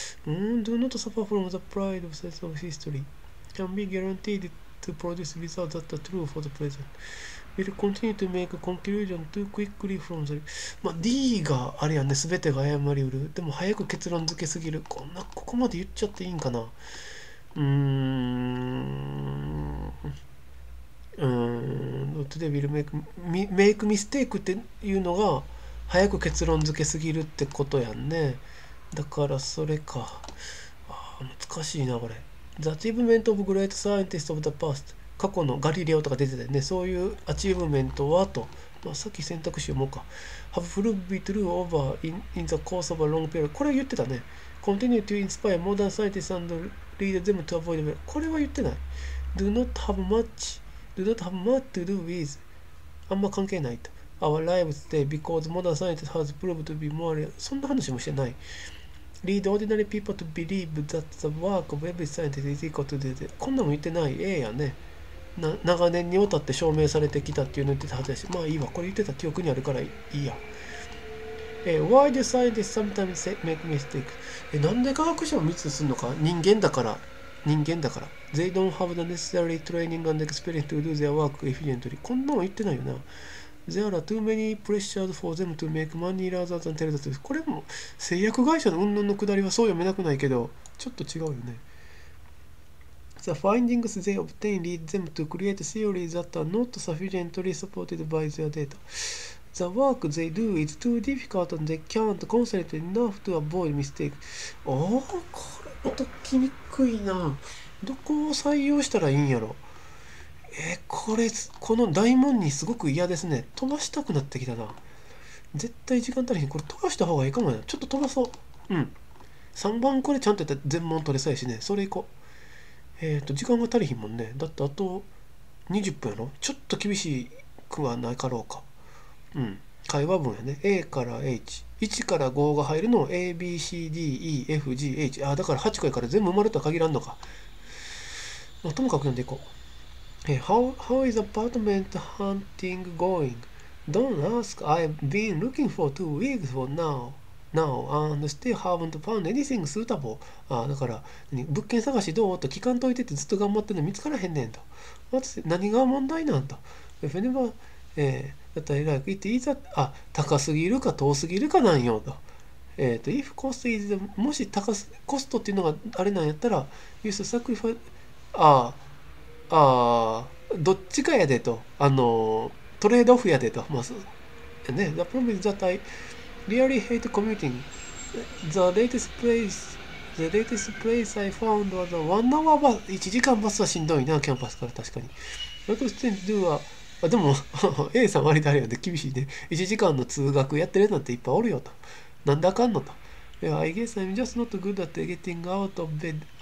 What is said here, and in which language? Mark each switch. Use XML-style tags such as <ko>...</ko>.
<en>Do not suffer from the pride of sense of history. Can be guaranteed to produce results that are true for the present. Will continue to make conclusion too quickly from the...</en> <ja>まあ、D があれやね、すべてが誤りうる。でも早く結論付けすぎる。こんな、ここまで言っちゃっていいんかな。</ja> <en>Will make mistake</en> <ja>っていうのが早く結論付けすぎるってことやんね。だからそれか。あ、難しいなこれ。</ja> <en>The achievement of great scientist of the past。</en> <ja>過去のガリレオとか出てたよね。そういうアチーブメントはと、まあ、さっき選択肢読もうか。</ja> <en>Have proved be true over in the course of a long period。</en> <ja>これ言ってたね。</ja> <en>Continue to inspire modern scientists and lead them to avoid、</en> <ja>これは言ってない。</ja> <en>Do not have much to do with、</en> <ja>あんま関係ないと。</ja> <en>Our lives today because modern scientists has proved to be more、</en> <ja>そんな話もしてない。</ja> <en>Lead ordinary people to believe that the work of every scientist is equal to the...</en> <ja>こんなんも言ってない。ええやね。長年にわたって証明されてきたっていうの言ってたはずやし。まあいいわ。これ言ってた記憶にあるからいいや。</ja> <en>Why do scientists sometimes make mistakes?</en> <ja>なんで科学者もミスするのか。人間だから。人間だから。</ja> <en>They don't have the necessary training and experience to do their work efficiently.</en> <ja>こんなんも言ってないよな。</ja> <en>There are too many pressures for them to make money rather than tell the truth.</en> <ja>これも製薬会社の云々の下りはそう読めなくないけど、ちょっと違うよね。</ja> <en>The findings they obtain lead them to create theories that are not sufficiently supported by their data. The work they do is too difficult and they can't concentrate enough to avoid mistake.</en> <ja>おお、これも解きにくいな。どこを採用したらいいんやろ。これこの大問にすごく嫌ですね。飛ばしたくなってきたな。絶対時間足りへん。これ飛ばした方がいいかもな。ちょっと飛ばそう。うん、3番これちゃんとやったら全問取れさえしね。それ行こう。時間が足りへんもんね。だってあと20分やろ。ちょっと厳しくはなかろうか。うん、会話文やね。A から H、 1から5が入るの ABCDEFGH。だから8個やから全部埋まるとは限らんのか。ともかく読んでいこう。</ja> <en>How is apartment hunting going? Don't ask. I've been looking for 2 weeks for now and still haven't found anything suitable.</en> <ja>だから物件探しどうと聞かんといてってずっと頑張ってんの見つからへんねんと。まず何が問題なんと。If anybody, だったら、</ja> <en>like, it is a,</en> <ja>高すぎるか遠すぎるかなんよと。</ja> <en>If cost is,</en> <ja>もし高すコストっていうのがあれなんやったら、</ja> <en>you should sacrifice,</en> <ja>どっちかやでと、トレードオフやでと、まあ、ね、</ja> <en>The problem is that I really hate commuting. The latest place I found was a 1 hour bus.</en> <ja>1時間バスはしんどいな、キャンパスから確かに。</ja> <en>What do you think to do</en> <ja>は、でも、A さん割とあれやで、厳しいね。 1時間の通学やってるなんていっぱいおるよと。なんだかんのと。</ja> <en>Yeah, I guess I'm just not good at getting out of bed.</en>